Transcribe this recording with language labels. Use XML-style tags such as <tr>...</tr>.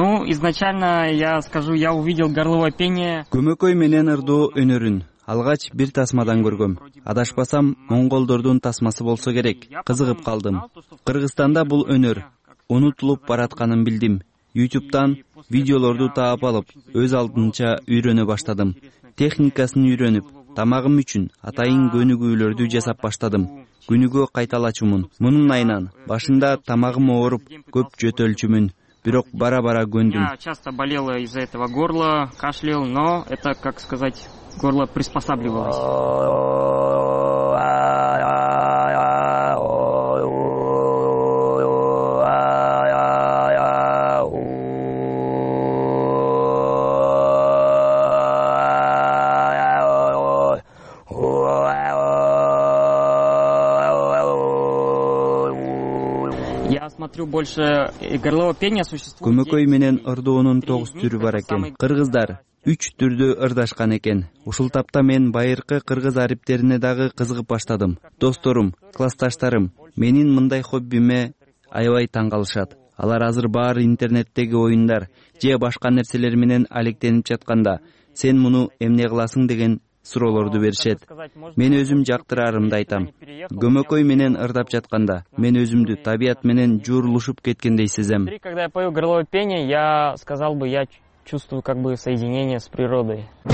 <ru>Изначально я скажу, я увидел горловое пение.</ru> <ky>Көмөкөй менен ырдоо өнөрүн алгач бир тасмадан көргөм. Адашпасам, монголдордун тасмасы болсо керек. Кызыгып калдым. Кыргызстанда бул өнөр унутулуп баратканын билдим. YouTube'дан видеолорду таап алып, өз алдынча үйрөнө баштадым. Техникасын үйрөнүп, тамагым үчүн атайын көнүгүүлөрдү жасап баштадым. Күнүгө кайталачумун. Мунун айынан башында тамагым ооруп, көп жөтөлчүмүн. Бирок бара-бара көндүм.</ky> <ru>Я часто болела из-за этого горла, кашлял, но это, как сказать, горло приспосабливалось. Я смотрю больше горлового пения существует.</ru> <ky>Көмөкөй менен ырдоонун 9 түрү бар экен. Кыргыздар 3 түрдө ырдашкан экен. Ушул тапта мен байыркы кыргыз арифтерине дагы кызыгып баштадым. Досторум, классташтарым менин мындай хоббиме аябай таң калышат. Алар азыр баар интернеттеги оюндар же башка нерселер менен алектенип жатканда сен муну эмне кыласың деген суроолорду беришет. Мен өзүм жактырарымды айтам. Көмөкөй менен ырдап жатканда мен өзүмдү табият менен жуурулушуп кеткендей сезем.</ky> <ru>Когда я пою горловое пение, я сказал бы, я чувствую как бы соединение с природой.</ru>